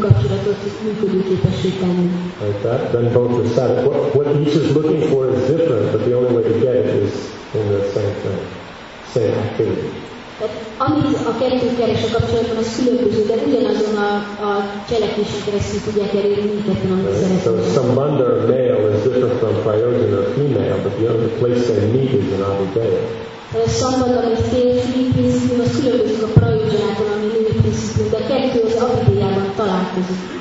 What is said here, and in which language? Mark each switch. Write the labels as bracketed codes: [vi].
[en] Like that? Then both are satisfied. What each is looking for is different, but the only way to get it is in the same thing, same activity. [hu] Amit a kettő keres a kapcsolatban, az különböző, de ugyanazon a cselekvésen keresztül tudják elérni mindketten, amit szeretnénk. [en] So Sambandha a male is different from Prayojana a female, but the only place they meet is in Abhidaya. [hu] Sambandha a férfi principium, az különbözik a Prayojanától, ami női principium, de a kettő az Abhidayában találkozik.